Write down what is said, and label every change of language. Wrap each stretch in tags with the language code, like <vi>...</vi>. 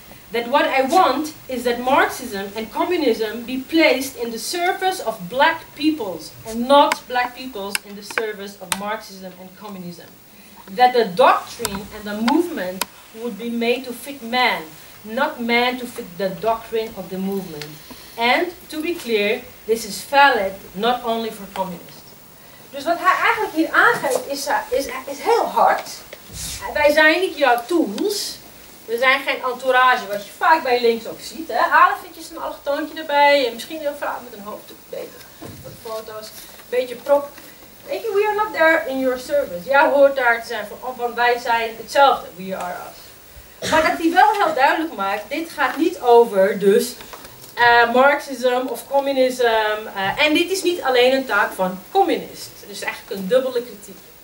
<en>That what I want is that Marxism and communism be placed in the service of black peoples and not black peoples in the service of Marxism and communism. That the doctrine and the movement would be made to fit man, not man to fit the doctrine of the movement. And to be clear, this is valid not only for communists.</en> <nl>Dus wat hij eigenlijk hier aangeeft is heel hard. Wij zijn niet jouw tools. We zijn geen entourage, wat je vaak bij linksop ziet. Haal eventjes een allochtoontje erbij. En misschien een vrouw met een hoofddoek. Beter voor de foto's. Beetje prop. Weet je,</nl> <en>we are not there in your service.</en> <nl>Jij hoort daar te zijn van, want wij zijn hetzelfde.</nl> <en>We are us.</en> <nl>Maar dat hij wel heel duidelijk maakt, dit gaat niet over dus Marxism of communism. En dit is niet alleen een taak van communist. Dus eigenlijk een dubbele kritiek.</nl>